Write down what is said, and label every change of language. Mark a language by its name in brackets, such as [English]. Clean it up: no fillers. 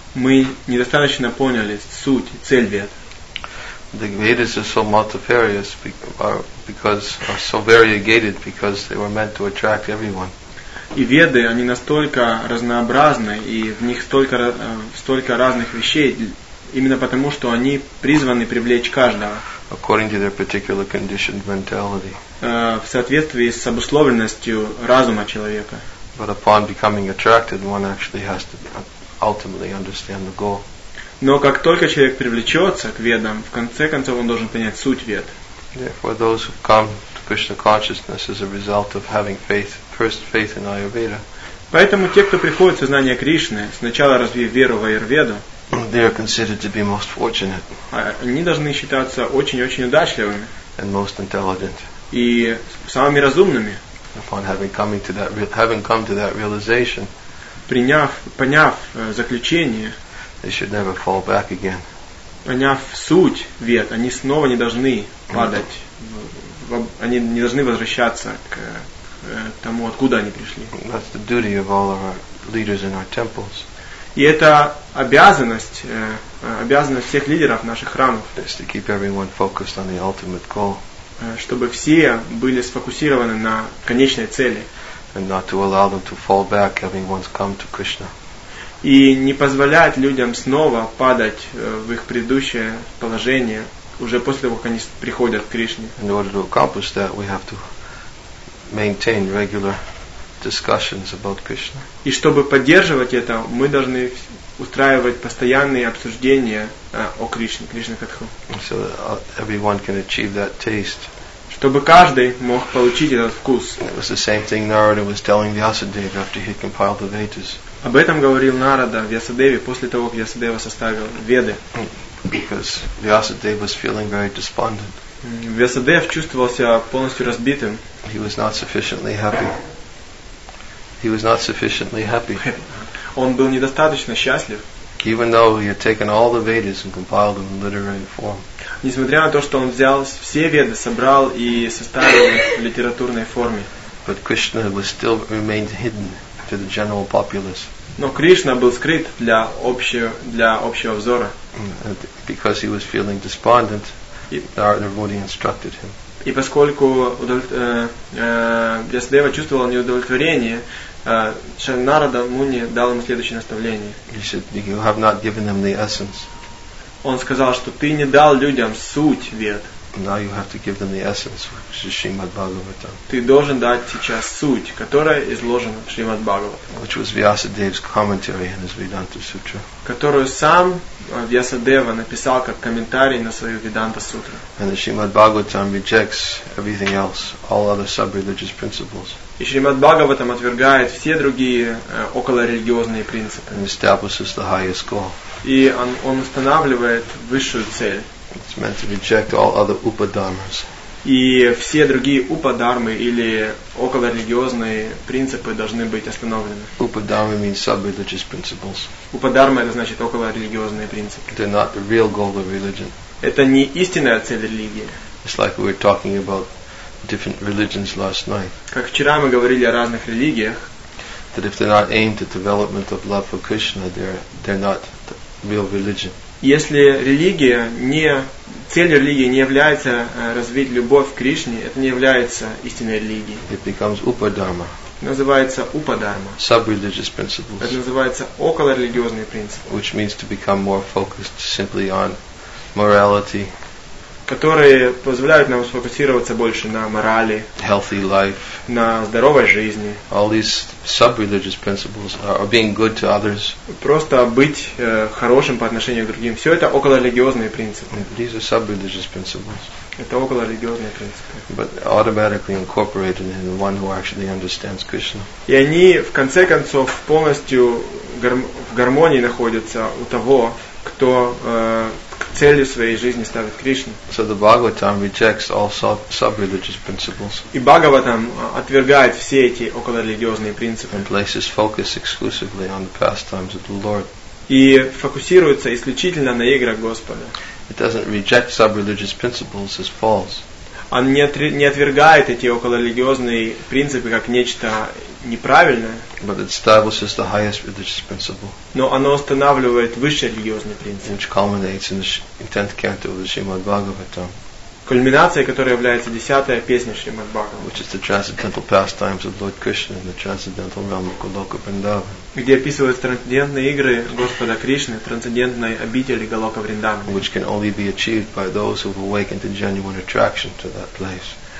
[Russian] Мы недостаточно поняли суть, цель Вед. [English] The Vedas are so multifarious because are so variegated because they were meant to attract everyone. [Russian] И Веды, они настолько разнообразны, и в них столько разных вещей, именно потому, что они призваны привлечь каждого. [English] According to their particular conditioned mentality. [Russian] В соответствии с обусловленностью разума человека. [English] But upon becoming attracted, one actually has to ultimately understand the goal. [Russian] Но как только человек привлечется к ведам, в конце концов он должен понять суть вед. [English] Therefore, those who come to Krishna consciousness as a result of having faith, first faith in Ayurveda. [Russian] Поэтому те, кто приходит в сознание Кришны, сначала развив веру в Аюрведу, [English] they are considered to be most fortunate. [Russian] Они должны считаться очень-очень удачливыми. [English] And most intelligent. [Russian] И самыми разумными. [English] Upon having come to that realization, [Russian] поняв заключение, [English] they should never fall back again. [Russian] Поняв суть вед, они снова не должны падать, они не должны возвращаться к тому, откуда они пришли. [English] That's the duty of all our leaders in our temples. [Russian] И это обязанность всех лидеров наших храмов. [English] Is to keep everyone focused on the ultimate goal. [Russian] Чтобы все были сфокусированы на конечной цели. [English] And not to allow them to fall back, having once come to Krishna. [Russian] И не позволяет людям снова падать в их предыдущее положение уже после того, как они приходят к Кришне. [English] In order to accomplish that, we have to maintain regular discussions about Krishna. [Russian] И чтобы поддерживать это, мы должны устраивать постоянные обсуждения о Кришне, Кришна Катху. [English] So everyone can achieve that taste. [Russian] Чтобы каждый мог получить этот вкус. [English] It was the same thing Narada was telling Vyasadeva after he compiled the Vedas. [Russian] Об этом говорил Нарада Вьясадеве после того, как Вьясадева составил Веды. [English] Because Vyasadeva was feeling very despondent. [Russian] Вьясадев чувствовал себя полностью разбитым. [English] He was not sufficiently happy. He was not sufficiently happy. [Russian] Он был недостаточно счастлив. [English] Even though he had taken all the Vedas and compiled them in literary form. [Russian] Несмотря на то, что он взял все Веды, собрал и составил их в литературной форме. [English] But Krishna was still remained hidden to the general populace. [Russian] Но Кришна был скрыт для общего взора. [English] And because he was feeling despondent, Narada Muni instructed him. [Russian] И поскольку Вьясадева чувствовал неудовлетворение, Шаринарада Муни дал ему следующее наставление. [English] He said, "You have not given them the essence." [Russian] Он сказал, что ты не дал людям суть вед. [English] Now you have to give them the essence, which is Shrimad Bhagavatam. [Russian] Ты должен дать сейчас суть, которая изложена в Шримад Бхагаватам. [English] Which was Vyasadeva's commentary in his Vedanta Sutra. [Russian] Которую сам Вьясадева написал как комментарий на свою Веданта Сутру. [English] And the Shrimad Bhagavatam rejects everything else, all other sub-religious principles. [Russian] И Шримад Бхагаватам отвергает все другие околорелигиозные принципы. [English] And establishes the highest goal. [Russian] И он устанавливает высшую цель. [English] It's meant to reject all other upadharmas. [Russian] И все другие упадармы или околорелигиозные принципы должны быть остановлены. [English] Upadharma means sub-religious principles. [Russian] Упадарма это значит околорелигиозные принципы. [English] They're not the real goal of religion. [Russian] Это не истинная цель религии. [English] It's like we were talking about different religions last night. [Russian] Как вчера мы говорили о разных религиях. [English] That if they're not aimed at development of love for Krishna, they're not the real religion. [Russian] Если религия не цель религии не является развить любовь к Кришне, это не является истинной религией. [English] It becomes upadharma. [Russian] Называется упадарма. [English] Sub-religious principles. [Russian] Это называется околорелигиозные принципы. [English] Which means to become more focused simply on morality. [Russian] Которые позволяют нам сфокусироваться больше на морали. [English] Healthy life. [Russian] На здоровой жизни. [English] All these sub-religious principles are being good to others. [Russian] Просто быть хорошим по отношению к другим. Все это околорелигиозные принципы. [English] These are sub-religious principles. [Russian] Это околорелигиозные принципы. [English] But automatically incorporated in the one who actually understands Krishna. [Russian] И они в конце концов полностью в гармонии находятся у того, кто целью своей жизни ставит Кришну. [English] So the Bhagavatam rejects all sub-religious principles. [Russian] И Бхагаватам отвергает все эти околорелигиозные принципы. [English] And places focus exclusively on the pastimes of the Lord. [Russian] И фокусируется исключительно на играх Господа. [English] It doesn't reject sub-religious principles as false. [Russian] Он не отвергает эти околорелигиозные принципы как нечто неправильное. [English] But it establishes the highest religious principle. [Russian] Но оно устанавливает высший религиозный принцип. [English] Which culminates in the 10th canto of the Shrimad Bhagavatam. [Russian] Кульминацией которой является 10-я песня Шримад Бхагаватам. [English] Which is the transcendental pastimes of Lord Krishna in the transcendental realm of Goloka Vrindavan. [Russian] Где описываются трансцендентные игры Господа Кришны в трансцендентной обители Голока Вриндаван. [English] Which can only be achieved by those who have awakened a genuine attraction to that place.